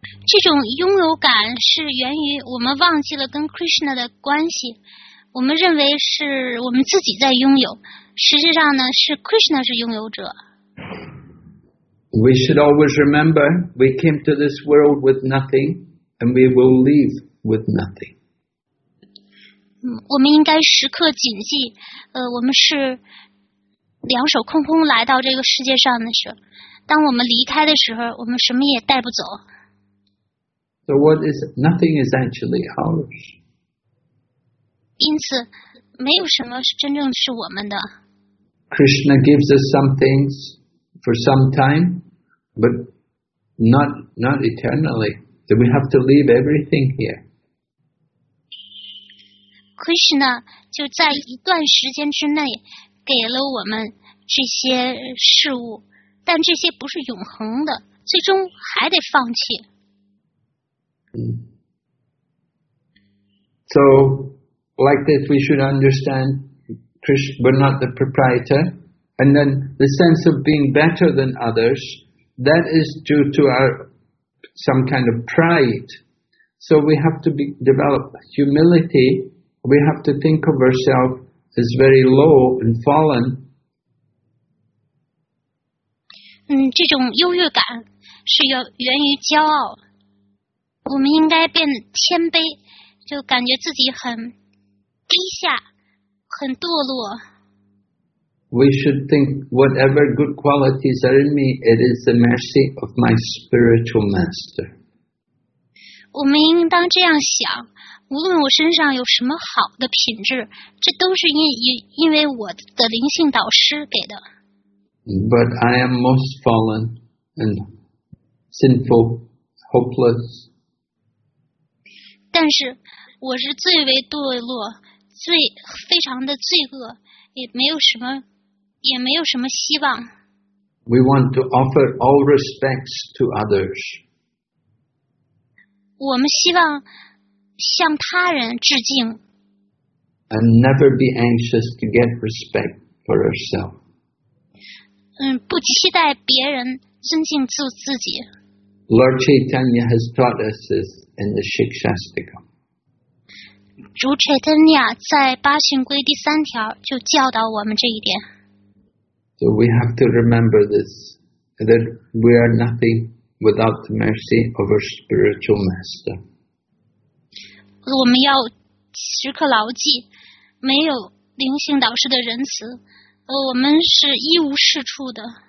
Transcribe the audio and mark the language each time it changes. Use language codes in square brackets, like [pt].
[zh] 这种拥有感是源于我们忘记了跟 Krishna 的关系，我们认为是我们自己在拥有，实际上呢是 Krishna 是拥有者。 [en] We should always remember we came to this world with nothing and we will leave with nothing. [zh] 我们应该时刻谨记，我们是两手空空来到这个世界上的时候，当我们离开的时候，我们什么也带不走。 [en] So what is it? Nothing is actually ours. [zh] 因此，没有什么是真正是我们的。 [en] Krishna gives us some things for some time, but not eternally. So we have to leave everything here. [zh] Krishna 就在一段时间之内给了我们这些事物，但这些不是永恒的，最终还得放弃。 [en] So, like this, we should understand Krishna, we're not the proprietor. And then the sense of being better than others, that is due to our some kind of pride. So we have to develop humility. We have to think of ourselves as very low and fallen. [zh] 这种优越感是源于骄傲。我们应该变谦卑，就感觉自己很低下，很堕落。 [en] We should think whatever good qualities are in me, it is the mercy of my spiritual master. [zh] 我们应当这样想，无论我身上有什么好的品质，这都是因为我的灵性导师给的。 [en] But I am most fallen and sinful, hopeless. [zh] 但是我是最为堕落，最非常的罪恶，也没有什么希望。 [en] We want to offer all respects to others. [zh] 我们希望向他人致敬。 [en] And never be anxious to get respect for ourselves. [zh] 不期待别人尊敬自己。 [en] Lord Chaitanya has taught us this in the Shikshastika. [zh] 主 Chaitanya 在八训规第三条就教导我们这一点。 [en] So we have to remember this, that we are nothing without the mercy of our spiritual master. [zh] 我们要时刻牢记，没有灵性导师的仁慈，我们是一无是处的。